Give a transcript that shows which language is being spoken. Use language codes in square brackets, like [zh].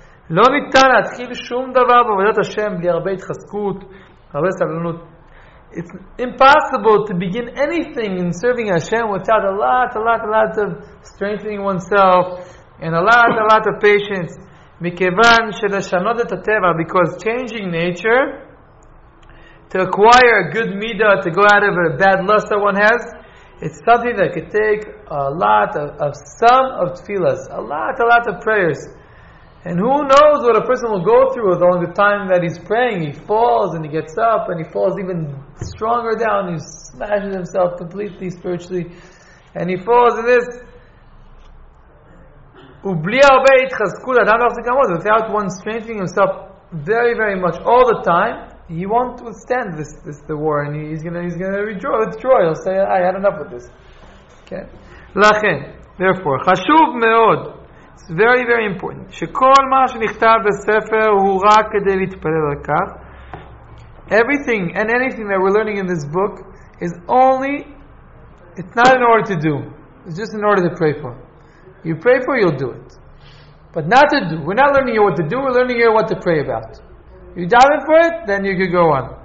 [he] לא ניתן להתחיל שום דבר בעבודת השם בלי הרבה התחזקות, הרבה סבלנות. [en] It's impossible to begin anything in serving Hashem without a lot of strengthening oneself and a lot of patience. [he] מכיוון שלשנות את הטבע, [en] because changing nature, to acquire a good midah, to go out of a bad lust that one has, it's something that could take a lot of tefillahs, a lot of prayers. And who knows what a person will go through with all the time that he's praying. He falls and he gets up and he falls even stronger down. He smashes himself completely spiritually. And he falls in this. [he] ובלי הרבה התחזקות, אדם לא יכול לעמוד. [en] Without one strengthening himself very, very much all the time, he won't withstand this the war. And he's gonna withdraw. He'll say, I had enough with this. Okay. [he] לכן, [en] therefore, [he] חשוב מאוד, [en] it's very, very important, [he] שכל מה שנכתב בספר הוא רק כדי להתפלל על כך. [en] Everything and anything that we're learning in this book is only, it's not in order to do. It's just in order to pray for. You pray for, you'll do it. But not to do. We're not learning you what to do, we're learning you what to pray about. You daven for it, then you could go on.